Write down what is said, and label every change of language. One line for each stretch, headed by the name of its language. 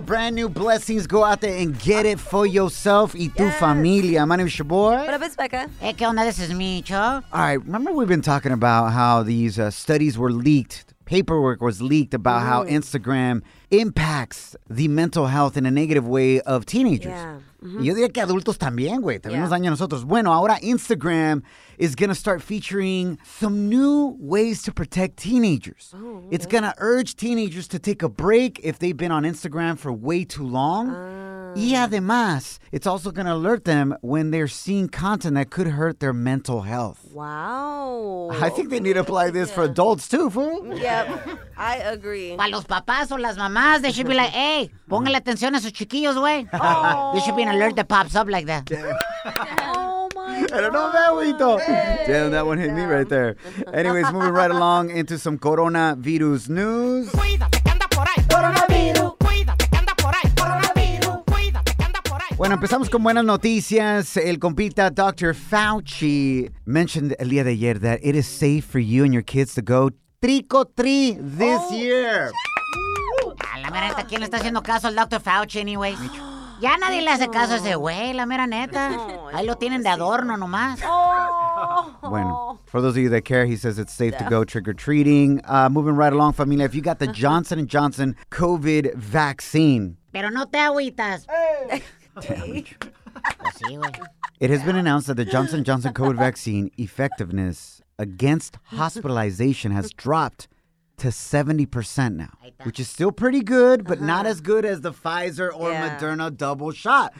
English: Brand new blessings. Go out there and get it for yourself
Spanish: y tu familia.
English: My name is Shaboy. What up, it's Becca. Hey,
Spanish: ¿qué onda?
English: This is Micho. All right, remember we've been talking about how these studies were leaked. Paperwork was leaked about how Instagram impacts the mental health in a negative way of teenagers. Yeah.
Spanish: Yo diría que adultos también, güey. También nos daña a nosotros. Bueno, ahora
English: Instagram is going to start featuring some new ways to protect teenagers. Oh, okay. It's going to urge teenagers to take a break if they've been on Instagram for way too long.
Spanish: Y además,
English: it's also going to alert them when they're seeing content that could hurt their mental health. Wow. I think they need to apply this for adults too, fool. Yep, I agree.
Spanish: Para los papás o las mamás,
English: they should be like, hey,
Spanish: póngale atención a sus chiquillos, güey.
English: There should be an alert that pops up like that. I don't know that one, though. Hey, damn, that one hit me right there. Anyways, moving right along into some coronavirus news.
Spanish: Bueno, empezamos con buenas noticias. El compita Dr.
English: Fauci mentioned
Spanish: el día de ayer
English: that it is safe for you and your kids to go trick-or-treat this year.
Spanish: A la mera neta, ¿quién le está haciendo caso al Dr. Fauci,
English: anyways?
Spanish: Ya nadie le hace caso a ese güey, la mera neta. Ahí lo tienen de adorno nomás. Bueno,
English: for those of you that care, he says it's safe to go trick-or-treating. Moving right along, familia, if you got the Johnson & Johnson COVID vaccine.
Spanish: Pero no te agüitas.
English: It has been announced that the Johnson & Johnson COVID vaccine effectiveness against hospitalization has dropped to 70% now, which is still pretty good, but not as good as the Pfizer or Moderna double shot.